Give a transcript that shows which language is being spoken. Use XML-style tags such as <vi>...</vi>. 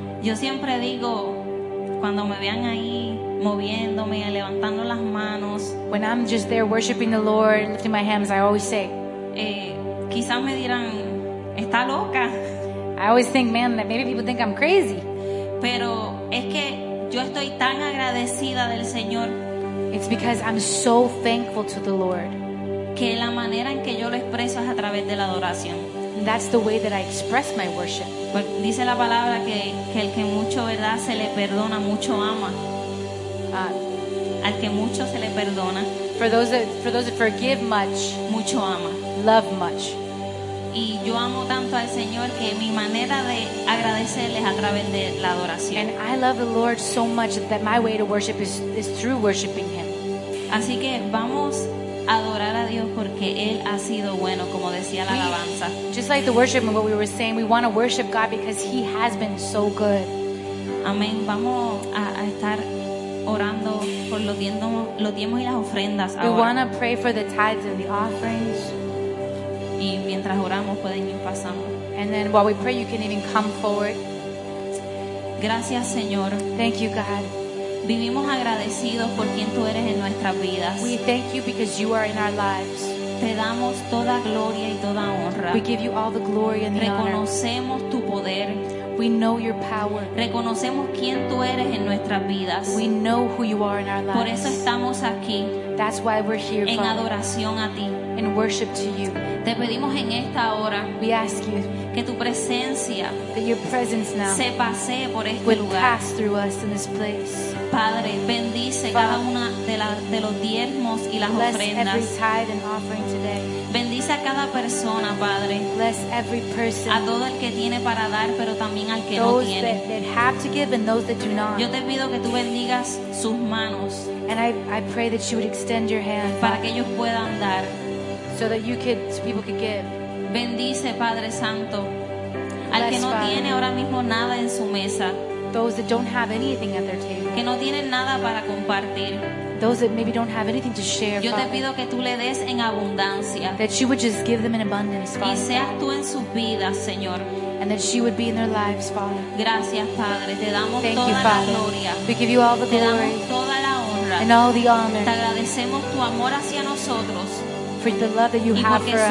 <es>Yo siempre digo, cuando me vean ahí moviéndome, levantando las manos,</es> <en>when I'm just there worshiping the Lord, lifting my hands, I always say,</en> <es>quizás me dirán, está loca.</es> <en>I always think, man, that maybe people think I'm crazy.</en> <es>Pero es que yo estoy tan agradecida del Señor.</es> <en>It's because I'm so thankful to the Lord.</en> <es>Que la manera en que yo lo expreso es a través de la adoración.</es> <en>That's the way that I express my worship.</en> <es>Dice la palabra que el que mucho, verdad, se le perdona, mucho ama. Al que mucho se le perdona,</es> <en>for those that forgive much,</en> <es>mucho ama,</es> <en>love much.</en> <es>Y yo amo tanto al Señor que mi manera de agradecerle es a través de la adoración.</es> <en>And I love the Lord so much that my way to worship is through worshiping Him.</en> <es>Así que vamos a adorar a Dios porque Él ha sido bueno, como decía la alabanza.</es> <en>Just like the worship and what we were saying, we want to worship God because He has been so good.</en> <es>Amén. Vamos a estar orando por los diezmos y las ofrendas ahora.</es> <en>We want to pray for the tithes and the offerings.</en> <es>Y mientras oramos pueden ir pasando.</es> <en>And then while we pray, you can even come forward.</en> <es>Gracias, Señor.</es> <en>Thank you, God.</en> <es>Vivimos agradecidos por quien tú eres en nuestras vidas.</es> <en>We thank you because you are in our lives.</en> <es>Te damos toda gloria y toda honra.</es> <en>We give you all the glory and the honor.</en> <es>Reconocemos tu poder.</es> <en>We know your power.</en> <es>Reconocemos quién tú eres en nuestras vidas.</es> <en>We know who you are in our lives.</en> <es>Por eso estamos aquí.</es> <en>That's why we're here.</en> <es>En adoración a ti.</es> <en>In worship to you.</en> <es>Te pedimos en esta hora.</es> <en>We ask you</en> <es>que tu presencia,</es> <en>that your presence now,</en> <es>se pasee por este lugar.</es> <en>Pass through us in this place.</en> <es>Padre, bendice cada una de los diezmos y las ofrendas.</es> <en>Bless every tithe and offering today.</en> <es>Bendice a cada persona, Padre.</es> <en>Bless every person.</en> <es>A todo el que tiene para dar, pero también al que</es> <en>those</en> <es>no tiene.</es> <en>That have to give and those that do not.</en> <es>Yo te pido que tú bendigas sus manos.</es> <en>And I pray that you would extend your hand.</en> <es>Para que ellos puedan dar.</es> <en>So that you could, so people could give.</en> <es>Bendice, Padre Santo. Al que no tiene ahora mismo nada en su mesa.</es> <en>Those that don't have anything at their table.</en> <es>Que no tienen nada para compartir.</es> <en>Those that maybe don't have anything to share.</en> <es>Yo te pido que tú le des en abundancia.</es> <en>That you would just give them in abundance, Father.</en> <es>Y seas tú en sus vidas, Señor.</es> <en>And that she would be in their lives, Father.</en> <es>Gracias, Padre. Te damos</es> <en>thank</en> <es>toda</es> <en>you, Father.</en> <es>La gloria.</es> <en>We give you all the</en> <es>te</es> <en>glory.</en> <es>Damos toda la honra.</es> <en>And all the honor.</en> <es>Te agradecemos tu amor hacia nosotros.</es> <en>For the love that you have for us.</en>